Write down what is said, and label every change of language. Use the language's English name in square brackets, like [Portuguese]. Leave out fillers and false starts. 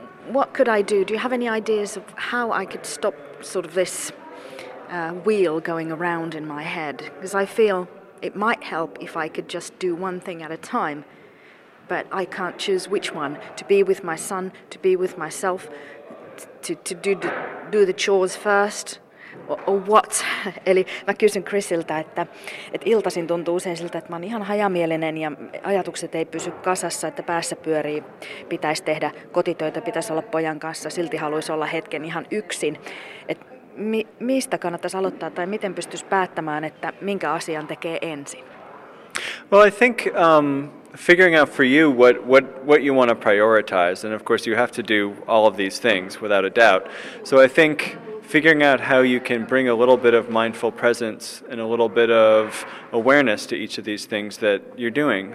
[English] What could I do? Do you have any ideas of how I could stop sort of this wheel going around in my head, because I feel it might help if I could just do one thing at a time, but I can't choose which one, to be with my son, to be with myself, to do the chores first, or what? [Finnish] Eli mä kysyn Chrisiltä, että iltaisin tuntuu usein siltä, että mä oon ihan hajamielinen ja ajatukset ei pysy kasassa, että päässä pyörii, pitäisi tehdä kotitöitä, pitäisi olla pojan kanssa, silti haluaisi olla hetken ihan yksin. Mistä kannattaisi aloittaa tai miten pystyisi päättämään, että minkä asian tekee ensin? [English] Well, I think figuring out for you what you want to prioritize, and of course you have to do all of these things without a doubt. So I think figuring out how you can bring a little bit of mindful presence and a little bit of awareness to each of these things that you're doing.